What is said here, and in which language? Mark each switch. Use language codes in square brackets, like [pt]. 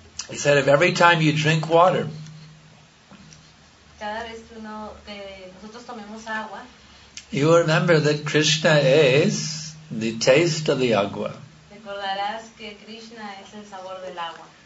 [en] He said, if every time you drink water, [es] cada vez que uno, que nosotros tomemos agua, [en] you remember that Krishna is the taste of the agua. [es] Recordarás que Krishna es el sabor del agua.